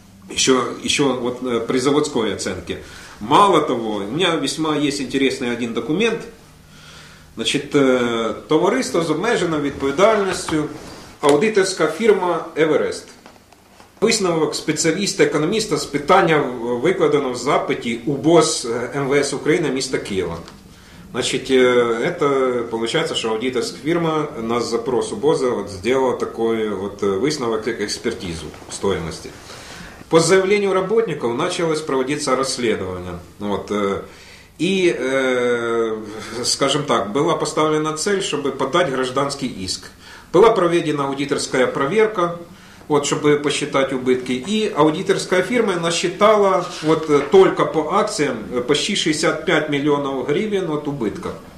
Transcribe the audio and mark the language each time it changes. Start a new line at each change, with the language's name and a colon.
Russian: Еще вот при заводской оценке. Мало того, у меня весьма есть интересный один документ.
Ukrainian: Значит, товариство с обмеженной відповідальністю, аудиторська фірма Everest. Висновок спеціаліста-економіста з питання викладено в запиті УБОС МВС України міста Києва. Значить, це виходить, що аудиторська фірма на запрос УБОЗа зробила такий висновок експертизу стоїмості. По заявленню працівників почалось проводитися розслідування. І, скажімо так, була поставлена ціль, щоб подати громадський іск. Була проведена аудиторська перевірка.
Russian: Вот, чтобы посчитать убытки. И аудиторская фирма насчитала вот только по акциям почти 65 миллионов гривен от убытка.